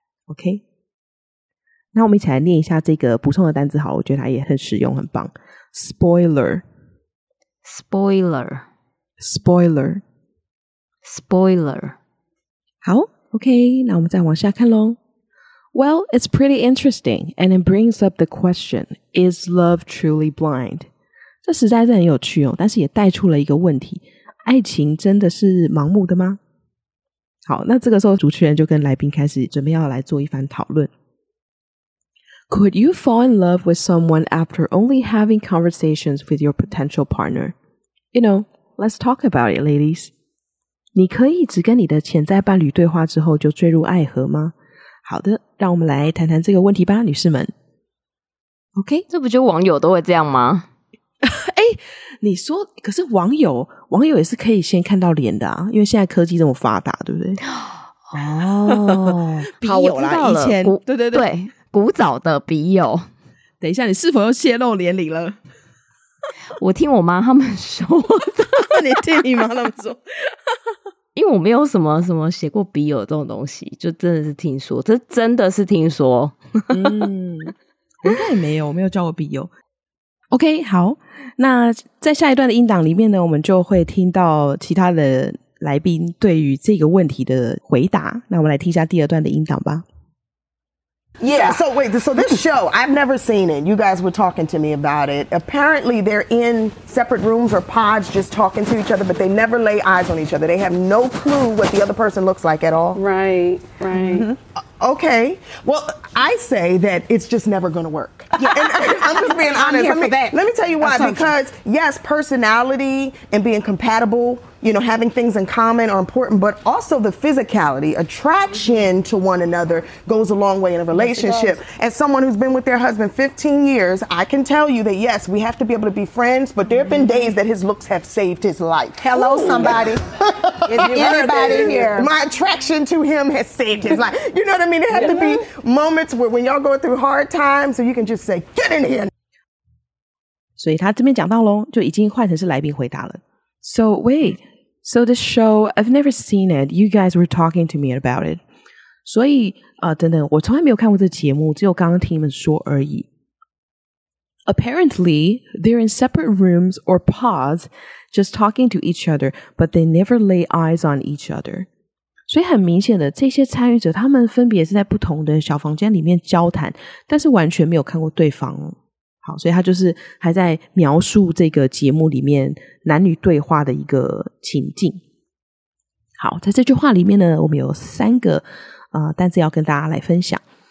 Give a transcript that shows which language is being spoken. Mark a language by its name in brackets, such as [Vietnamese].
[Chinese] OK， 那我们一起来念一下这个补充的单字好了，我觉得它也很实用很棒。 [English] Spoiler Spoiler Spoiler Spoiler。 [Chinese] 好，OK， 那我们再往下看咯。 [English] Well, it's pretty interesting, and it brings up the question, is love truly blind? [Chinese] 这实在是很有趣哦，但是也带出了一个问题，爱情真的是盲目的吗？好，那这个时候主持人就跟来宾开始准备要来做一番讨论。 [English] Could you fall in love with someone after only having conversations with your potential partner? You know, let's talk about it, ladies. [Chinese] 你可以只跟你的潜在伴侣对话之后就坠入爱河吗？好的，让我们来谈谈这个问题吧，女士们。 OK，这不就网友都会这样吗？哎、欸，你说，可是网友也是可以先看到脸的啊，因为现在科技这么发达，对不对？哦，笔友啦，以前对对对，古早的笔友。等一下，你是否又泄露年龄了？我听我妈他们说的。你听你妈他们说。因为我没有什么写过笔友这种东西，就真的是听说，这真的是听说。我应该也没有，我没有交过笔友。OK， 好，那在下一段的音档里面呢，我们就会听到其他的来宾对于这个问题的回答。那我们来听一下第二段的音档吧。 [English] Yeah, so wait, so this show, I've never seen it. You guys were talking to me about it. Apparently, they're in separate rooms or pods just talking to each other, but they never lay eyes on each other. They have no clue what the other person looks like at all. Right, right. Mm-hmm. Okay, well, I say that it's just never going to work. Yeah, and I'm just being honest. Let me tell you why. Because, yes, personality and being compatible, you know, having things in common are important, but also the physicality, attraction to one another goes a long way in a relationship. Yes, as someone who's been with their husband 15 years, I can tell you that, yes, we have to be able to be friends, but there have been days that his looks have saved his life. Hello, somebody. Anybody here. My attraction to him has saved his life. You know what I mean? There have to be moments where when y'all go through hard times, so you can just say, get in here. [Chinese] 所以他这边讲到咯，就已经换成是来宾回答了。 [English] So wait, so the show, I've never seen it. You guys were talking to me about it. [Chinese] 所以等等，我从来没有看过这节目，只有刚刚听你们说而已。 [English] Apparently, they're in separate rooms or pods, just talking to each other, but they never lay eyes on each other. [Chinese] 所以很明显的，这些参与者他们分别是在不同的小房间里面交谈，但是完全没有看过对方。好，所以他就是还在描述这个节目里面男女对话的一个情境。好，在这句话里面呢，我们有三个单字要跟大家来分享。